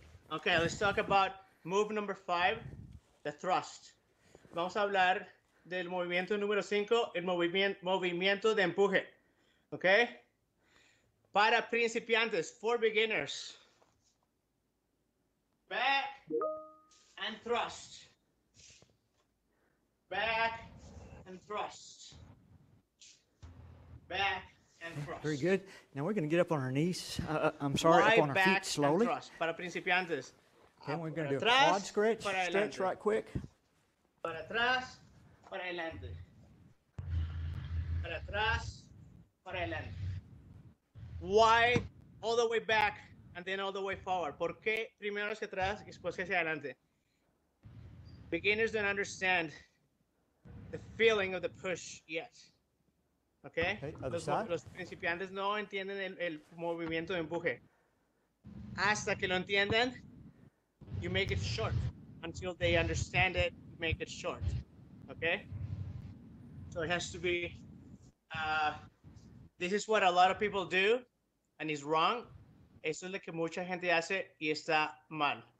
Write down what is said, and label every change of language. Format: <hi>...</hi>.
<en>Okay, let's talk about move number five, the thrust.</en> <es>Vamos a hablar del movimiento número 5, el movimiento de empuje.</es> <en>Okay?</en> <es>Para principiantes,</es> <en>for beginners. Back and thrust. Back and thrust. Back and thrust. Very good. Now we're going to get up on our knees. I'm sorry, fly up on our back feet slowly. And thrust.</en> <es>Para principiantes.</es> <en>Okay, we're going to do a quad stretch. Stretch right quick.</en> <es>Para atrás, para adelante. Para atrás, para adelante.</es> <en>Why all the way back and then all the way forward?</en> <es>¿Por qué primero hacia atrás y después hacia adelante?</es> <en>Beginners don't understand the feeling of the push yet. Okay? Okay, other side.</en> <es>Los principiantes no entienden el movimiento de empuje. Hasta que lo entienden,</es> <en>you make it short. Until they understand it, make it short. Okay? So it has to be, this is what a lot of people do. And he's wrong.</en> <es>Eso es lo que mucha gente hace y está mal.</es>